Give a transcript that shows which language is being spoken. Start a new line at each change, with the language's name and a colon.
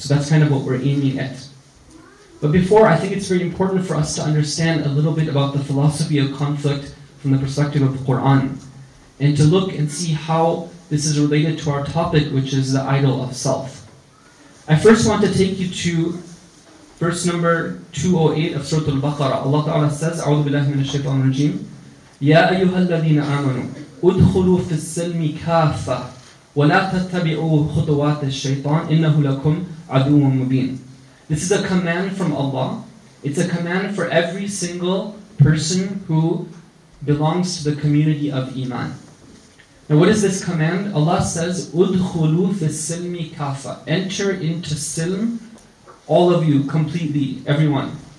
English: So that's kind of what we're aiming at. But before, I think it's very important for us to understand a little bit about the philosophy of conflict from the perspective of the Qur'an, and to look and see how this is related to our topic, which is the idol of self. I first want to take you to verse number 208 of Surah Al-Baqarah.
Arabic: Allah Ta'ala says, أعوذ بالله من الشيطان الرجيم يَا أَيُّهَا الَّذِينَ آمَنُوا أُدْخُلُوا فِي السِّلْمِ كَافَّةً وَلَا تَتَّبِعُوا خُطُوَاتِ الشَّيْطَانِ إِنَّهُ لَكُمْ عَدُوٌّ مُبِينٌ.
English: This is a command from Allah. It's a command for every single person who belongs to the community of Iman. Now what is this command? Allah says,
Arabic: "Udkhulu fi silmi kafa."
English: Enter into silm, all of you, completely, everyone.